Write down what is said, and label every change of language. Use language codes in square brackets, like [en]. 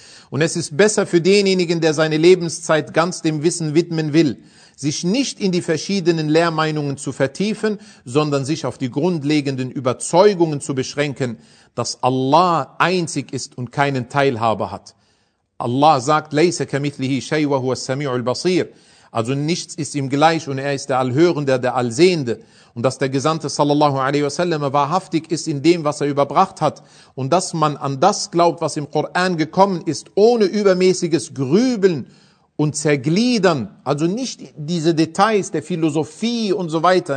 [de] Und es ist besser für denjenigen, der seine Lebenszeit ganz dem Wissen widmen will, sich nicht in die verschiedenen Lehrmeinungen zu vertiefen, sondern sich auf die grundlegenden Überzeugungen zu beschränken, dass Allah einzig ist und keinen Teilhaber hat. Allah sagt, [ar] لَيْسَ كَمِثْلِهِ شَيْءٍ وَهُوَ السَّمِيعُ الْبَصِيرُ. [de] Also nichts ist ihm gleich und er ist der Allhörende, der Allsehende. Und dass der Gesandte sallallahu alaihi wasallam wahrhaftig ist in dem, was er überbracht hat. Und dass man an das glaubt, was im Koran gekommen ist, ohne übermäßiges Grübeln und Zergliedern. Also nicht diese Details der Philosophie und so weiter.